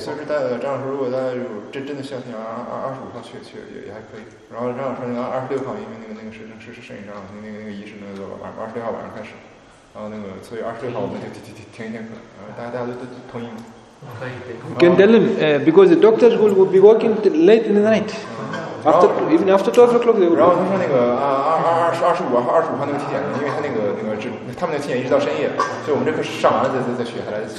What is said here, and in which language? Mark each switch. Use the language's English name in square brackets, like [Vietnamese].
[Chinese] 所以说，大家张老师，如果大家有真的需要体检，25号去也还可以。然后张老师那个26号，因为那个是摄影张老师那个仪式那个26号晚上开始，然后那个所以26号我们就停一天课。大家都同意吗？可以。 [English] You can tell him, because the doctors will be working late in the night. After 12 o'clock, they will. [Chinese] 然后他说那个25号那个体检呢，因为他那个他们那个体检一直到深夜，所以我们这课上完了再去还来得及。